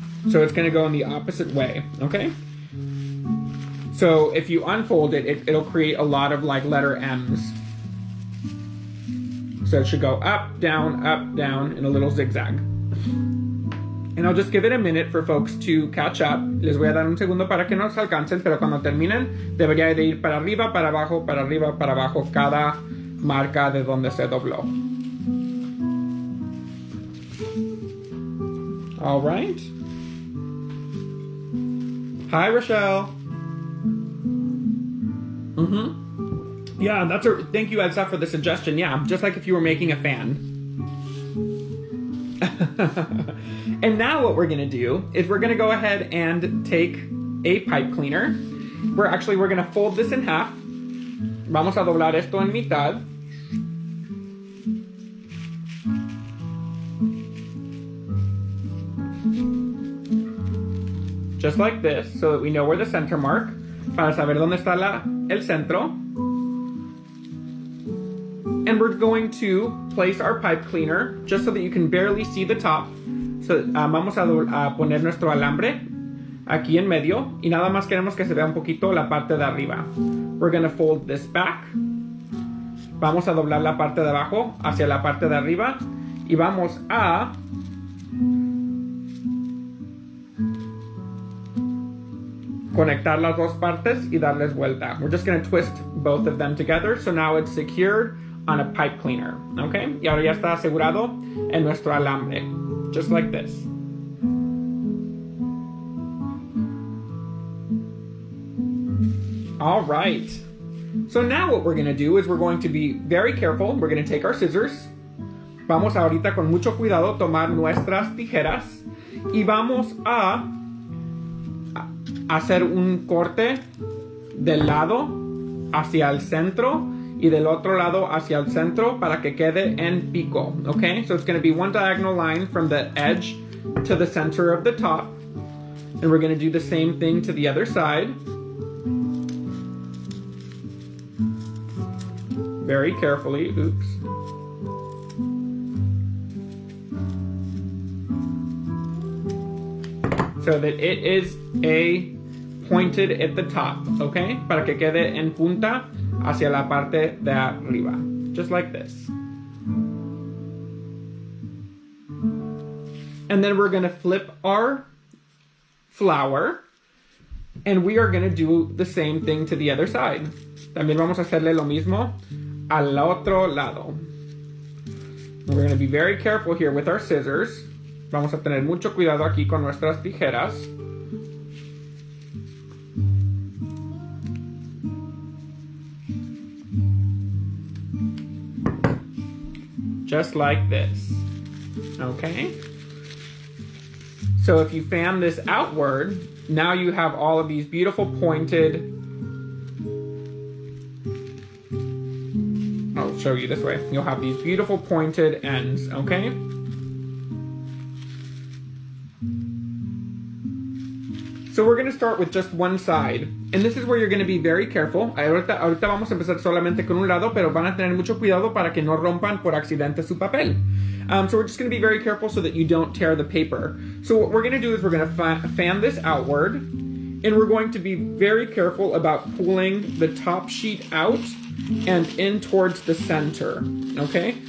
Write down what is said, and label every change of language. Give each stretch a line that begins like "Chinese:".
English: So it's gonna go in the opposite way, okay? So if you unfold it, it'll create a lot of like letter M's. So it should go up, down, and a little zigzag. And I'll just give it a minute for folks to catch up.
Spanish: Les voy a dar un segundo para que nos alcancen, pero cuando terminen, debería de ir para arriba, para abajo, cada marca de donde se dobló.
English: All right. Hi, Rochelle. Mm-hmm. Yeah, that's a... Thank you, Edsa, for the suggestion. Yeah, just like if you were making a fan. And now what we're going to do is we're going to go ahead and take a pipe cleaner. We're going to fold this in half.
Spanish: Vamos a doblar esto en mitad.
English: Just like this, so that we know where the center mark.
Spanish: Para saber dónde está el centro.
English: And we're going to place our pipe cleaner, just so that you can barely see the top.
Spanish: So vamos a poner nuestro alambre aquí en medio. Y nada más queremos que se vea un poquito la parte de arriba.
English: We're going to fold this back.
Spanish: Vamos a doblar la parte de abajo hacia la parte de arriba. Y vamos a... conectar las dos partes y darles vuelta.
English: We're just going to twist both of them together. So now it's secured on a pipe cleaner. Okay?
Spanish: Y ahora ya está asegurado en nuestro alambre.
English: Just like this. All right. So now what we're going to do is we're going to be very careful. We're going to take our scissors.
Spanish: Vamos ahorita con mucho cuidado tomar nuestras tijeras. Y vamos a... hacer un corte del lado hacia el centro y del otro lado hacia el centro para que quede en pico, okay?
English: So it's going to be one diagonal line from the edge to the center of the top. And we're going to do the same thing to the other side. Very carefully, oops. So that it is a... pointed at the top, okay?
Spanish: Para que quede en punta hacia la parte de arriba.
English: Just like this. And then we're gonna flip our flower and we are gonna do the same thing to the other side.
Spanish: También vamos a hacerle lo mismo al otro lado.
English: We're gonna be very careful here with our scissors.
Spanish: Vamos a tener mucho cuidado aquí con nuestras tijeras.
English: Just like this, okay? So if you fan this outward, now you have all of these beautiful pointed... I'll show you this way. You'll have these beautiful pointed ends, okay? So we're gonna start with just one side. And this is where you're gonna be very careful.
Spanish: Ahorita vamos a empezar solamente con un lado, pero van a tener mucho cuidado para que no rompan por accidente su papel.
English: So we're just gonna be very careful so that you don't tear the paper. So what we're gonna do is we're gonna fan this outward, and we're going to be very careful about pulling the top sheet out and in towards the center, okay?